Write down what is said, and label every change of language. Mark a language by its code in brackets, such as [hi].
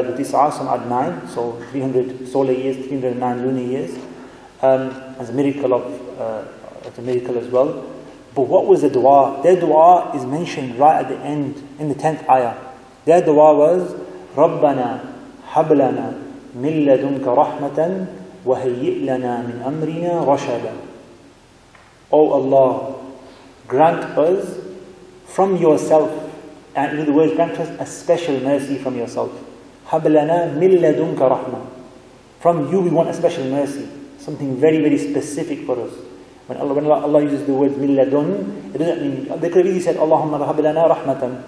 [en] So 300 solar years, 309 lunar years. As a miracle of, it's a miracle as well. But what was the dua? Their dua is mentioned right at the end, in the 10th ayah. Their dua was, [ar] رَبَّنَا حَبْلَنَا مِنْ لَدُنْكَ رَحْمَةً وَهَيِّئْ لَنَا مِنْ أَمْرِنَا رَشَدًا. [en] O Allah, grant us from yourself, and in other words, grant us a special mercy from yourself. Hablana min ladunka rahma. From you we want a special mercy, something very, very specific for us. When Allah uses the word min ladun, it doesn't mean, they could have easily said, Allahumma hablana rahmatan.